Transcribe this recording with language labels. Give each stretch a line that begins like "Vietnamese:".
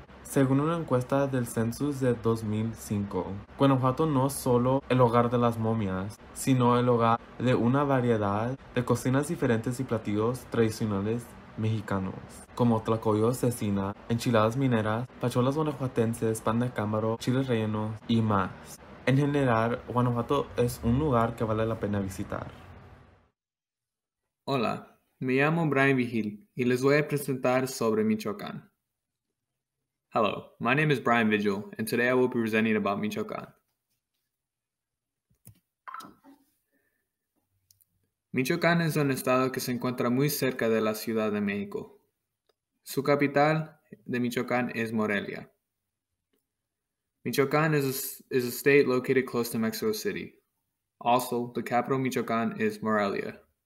Spanish: Según una encuesta del census de 2005, Guanajuato no es solo el hogar de las momias, sino el hogar de una variedad de cocinas diferentes y platillos tradicionales mexicanos, como tlacoyos, cecina, enchiladas mineras, pacholas guanajuatenses, pan de cámaro, chiles rellenos y más. En general, Guanajuato es un lugar que vale la pena visitar. Hola, me llamo Brian Vigil y les voy a presentar sobre Michoacán.
English: Hello, my name is Brian Vigil and today I will be presenting about Michoacán.
Spanish: Michoacán es un estado que se encuentra muy cerca de la Ciudad de México. Su capital de Michoacán es Morelia.
English: Michoacán is a state located close to Mexico City. Also, the capital of Michoacán is Morelia.